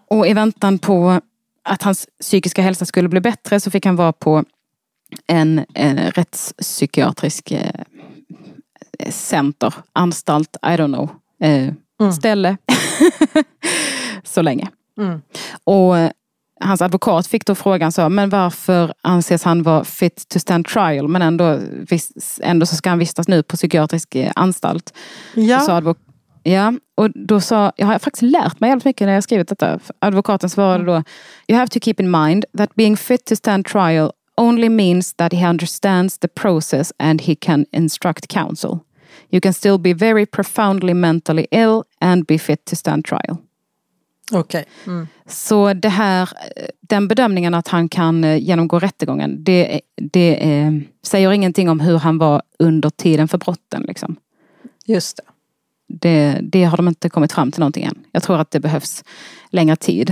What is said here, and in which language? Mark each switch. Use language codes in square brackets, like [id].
[sv] Och i väntan på att hans psykiska hälsa skulle bli bättre så fick han vara på en rättspsykiatrisk center, anstalt, [en] I don't know, [sv] ställe så länge. Och hans advokat fick då frågan, så, men varför anses han vara [en] fit to stand trial [sv] men ändå så ska han vistas nu på psykiatrisk anstalt? Ja, och då sa, jag har faktiskt lärt mig jävligt mycket när jag skrivit detta. Advokaten svarade då, [en] you have to keep in mind that being fit to stand trial only means that he understands the process and he can instruct counsel. You can still be very profoundly mentally ill and be fit to stand trial. [sv] Okej. [en] Okay. [sv] Så det här, den bedömningen att han kan genomgå rättegången, det säger ingenting om hur han var under tiden för brotten liksom. Just det. Det har de inte kommit fram till någonting än. Jag tror att det behövs längre tid.